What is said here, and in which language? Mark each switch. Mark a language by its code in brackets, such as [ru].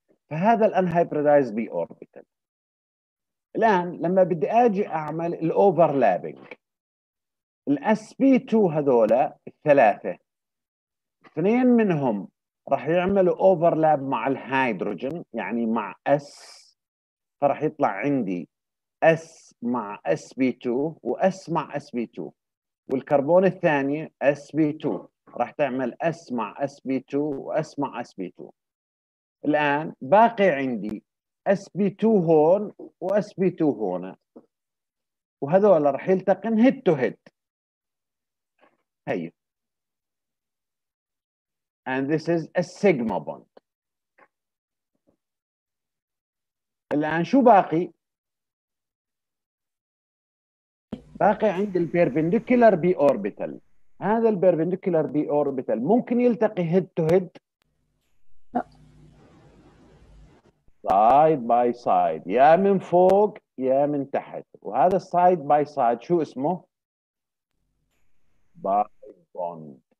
[ar] فهذا الانهايبريدايزد بي orbital. الآن لما بدي أجي أعمل الـ overlapping الـ sp2, هذولا الثلاثة اثنين منهم راح يعملوا overlap مع الهيدروجين, يعني مع s, فراح يطلع عندي s مع sp2 و s مع sp2, والكربون الثاني sp2 راح تعمل s مع sp2 و s مع sp2. الآن باقي عندي sp2 هون و sp2 هون, وهذول راح يلتقن هيد تو هيد. [en] هي and this is a sigma bond. [ar] الان شو باقي؟ باقي عند البيرفندكولار بي اوربيتال. هذا البيرفندكولار بي اوربيتال ممكن يلتقي هيد تو هيد side by side, يا من فوق يا من تحت, وهذا side by side شو اسمه؟ by bond.